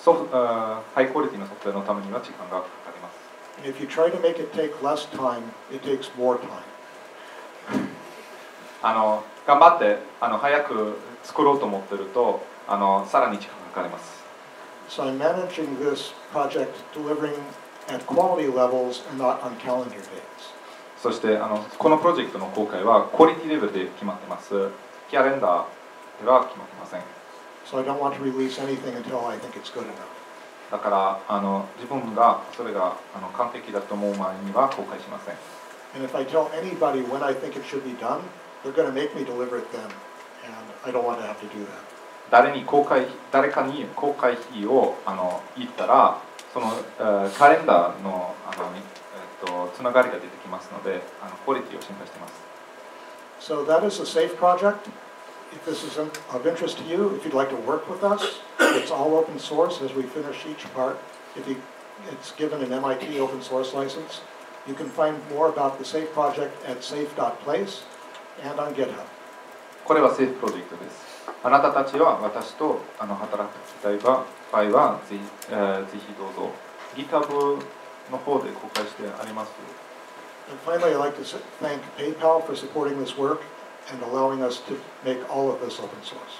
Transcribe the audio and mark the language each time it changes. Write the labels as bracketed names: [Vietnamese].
[Japanese] ハイクオリティのソフトウェアのためには時間がかかります。 [English] And if you try to make it take less time, it takes more time. [Japanese] あの、頑張って、あの、早く作ろうと思ってると、あの、さらに時間がかかります。 [English] So I'm managing this project delivering at quality levels and not on calendar dates. [Japanese] そして、あの、このプロジェクトの公開はクオリティレベルで決まってます。キャレンダーでは決まってません。 [English] So I don't want to release anything until I think it's good enough. [Japanese] だから、あの、自分がそれが、あの、完璧だと思う前には公開しません。 [English] And if I tell anybody when I think it should be done, they're going to make me deliver it then. And I don't want to have to do that. [Japanese] 誰かに公開日を、あの、言ったら、その、カレンダーの、あの、つながりが出てきますので、あの、クオリティを心配しています。 [English] So that is a safe project. If this is of interest to you, if you'd like to work with us, it's all open source as we finish each part. It's given an MIT open source license. You can find more about the Seif project at seif.place and on GitHub. [Japanese] これはセーフプロジェクトです。あなたたちは私とあの働きたい場合はぜひどうぞ。 GitHub の方で公開してあります。 [English] And finally, I'd like to thank PayPal for supporting this work. And allowing us to make all of this open source.